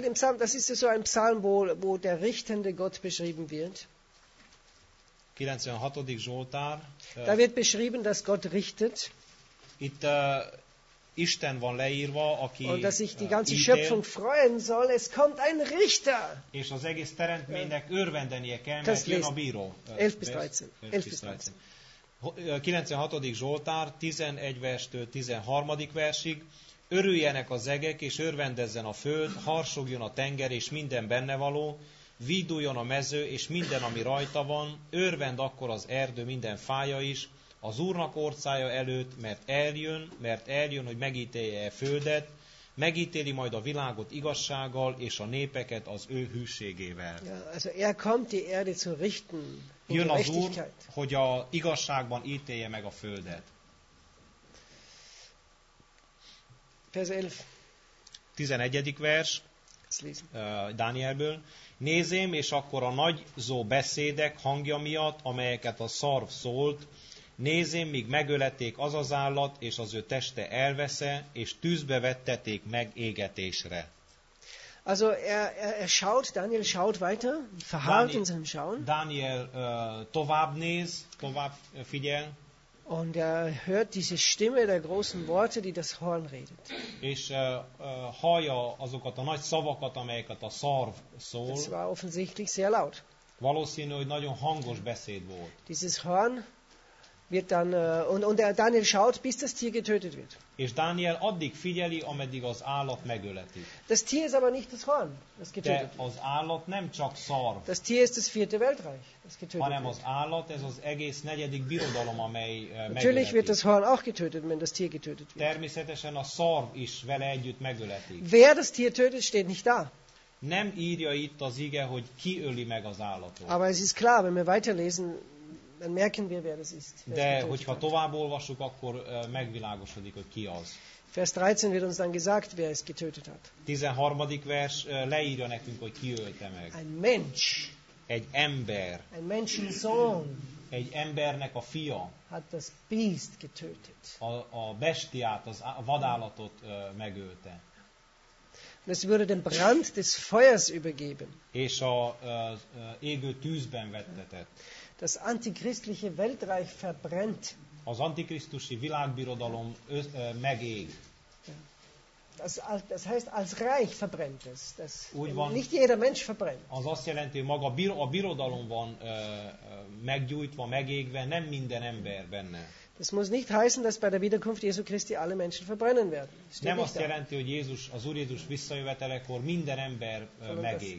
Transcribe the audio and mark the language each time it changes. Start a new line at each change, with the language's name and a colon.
German: Da ist die Rede im Psalm, das ist so ein Psalm, wo
Hungarian: Zsoltár.
German: Da wird beschrieben, dass Gott richtet.
Hungarian: Itt Isten van leírva, aki
German: und dass sich die ganze Schöpfung freuen soll, es kommt ein Richter.
Hungarian: És az egész teremtménynek örvendenie kell, mert jön a bíró.
German: 11-13.
Hungarian: 96. Zsoltár, 11 verstől 13. versig. Örüljenek az egek, és örvendezzen a föld, harsogjon a tenger, és minden benne való, víduljon a mező, és minden, ami rajta van, örvend akkor az erdő minden fája is, az Úrnak orcája előtt, mert eljön, hogy megítélje a földet, megítéli majd a világot igazsággal, és a népeket az ő hűségével.
German: Ja, also er kommt die Erde zu richten.
Hungarian: Jön az Úr, hogy a igazságban ítélje meg a földet.
German: Vers 11.
Hungarian: 11. vers. Dánielből. Nézém, és akkor a nagyzó beszédek hangja miatt, amelyeket a szarv szólt. Nézém, míg megöleték az az állat, és az ő teste elvesze, és tűzbe vetteték meg égetésre.
German: Also er schaut, Daniel schaut weiter, verharrt in seinem Schauen.
Hungarian: Daniel tovább néz, tovább figyel.
German: Und er hört diese Stimme der großen Worte, die das Horn redet.
Hungarian: És hallja azokat a nagy szavakat, amelyeket a szarv szól.
German: Das war offensichtlich sehr laut.
Hungarian: Valószínű, hogy nagyon hangos beszéd volt.
German: Dieses Horn wird dann und Daniel schaut, bis das Tier getötet wird.
Hungarian: És Daniel addig figyeli, ameddig az állat megöleti.
German: Das Tier ist aber nicht das Horn, das getötet wird.
Hungarian: Az állat nem csak szarv.
German: Das Tier ist das vierte Weltreich, das getötet wird.
Hungarian: Hanem az állat, ez az egész negyedik birodalom, amely megöleti.
German: Natürlich wird das Horn auch getötet, wenn das Tier getötet wird.
Hungarian: Természetesen a szarv is vele együtt megöleti.
German: Wer das Tier tötet, steht nicht da.
Hungarian: Nem írja itt az ige, hogy ki öli meg az állatot.
German: Aber es ist klar, wenn wir weiterlesen, dann merken wir, wer das ist.
Hungarian: De hogyha tovább olvassuk, akkor megvilágosodik, hogy ki az.
German: Vers 13 wird uns dann gesagt, wer es getötet hat.
Hungarian: 13. vers leírja nekünk, hogy ki ölte meg.
German: Ein Mensch.
Hungarian: Egy ember.
German: Ein Menschensohn.
Hungarian: Egy embernek a fia.
German: Hat das Biest getötet.
Hungarian: A bestiát, az vadállatot megölte.
German: Es wurde dem Brand des Feuers übergeben.
Hungarian: És a égő tűzben vettetett.
German: Das antichristliche Weltreich verbrennt.
Hungarian: Az antikrisztusi világbirodalom megég.
German: Das heißt, als Reich verbrennt es. Das
Hungarian: úgy van,
German: nicht jeder Mensch verbrennt.
Hungarian: Az azt jelenti, hogy maga a birodalom van meggyújtva, megégve, nem minden ember benne.
German: Das muss nicht heißen, dass bei der Wiederkunft Jesu Christi alle Menschen verbrennen werden.
Hungarian: Nem azt jelenti, hogy Jézus, az Úr Jézus visszajövetelekor minden ember megég.